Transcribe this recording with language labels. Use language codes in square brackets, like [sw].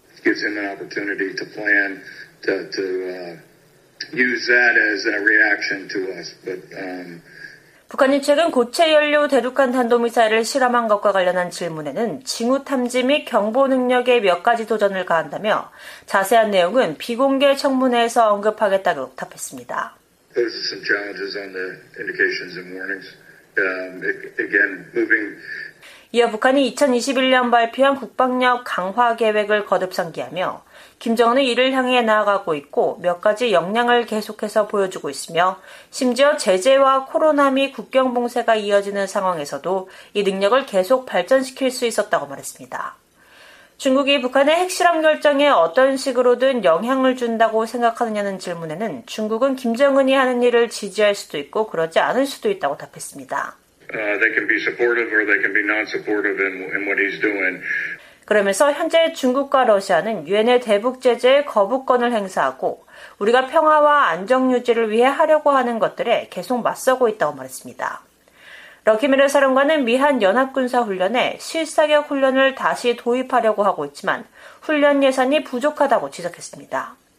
[en] Gives him an opportunity to plan to use that as a reaction to us. But, [ko] 북한이 최근 고체 연료 대륙간 탄도미사일을 실험한 것과 관련한 질문에는 징후 탐지 및 경보 능력에 몇 가지 도전을 가한다며 자세한 내용은 비공개 청문회에서 언급하겠다고 답했습니다. [en] There's some challenges on the indications and warnings. Again, moving. [ko] 이어 북한이 2021년 발표한 국방력 강화 계획을 거듭 상기하며 김정은은 이를 향해 나아가고 있고 몇 가지 역량을 계속해서 보여주고 있으며 심지어 제재와 코로나 및 국경 봉쇄가 이어지는 상황에서도 이 능력을 계속 발전시킬 수 있었다고 말했습니다. 중국이 북한의 핵실험 결정에 어떤 식으로든 영향을 준다고 생각하느냐는 질문에는 중국은 김정은이 하는 일을 지지할 수도 있고 그러지 않을 수도 있다고 답했습니다. [en] They can be supportive or they can be non-supportive in what he's doing. [ko] 그러면서 현재 중국과 러시아는 유엔의 대북 제재에 거부권을 행사하고 우리가 평화와 안정 유지를 위해 하려고 하는 것들에 계속 맞서고 있다고 말했습니다. 럭키메르 사령관은 미한 연합군사 훈련에 실사격 훈련을 다시 도입하려고 하고 있지만 훈련 예산이 부족하다고 지적했습니다.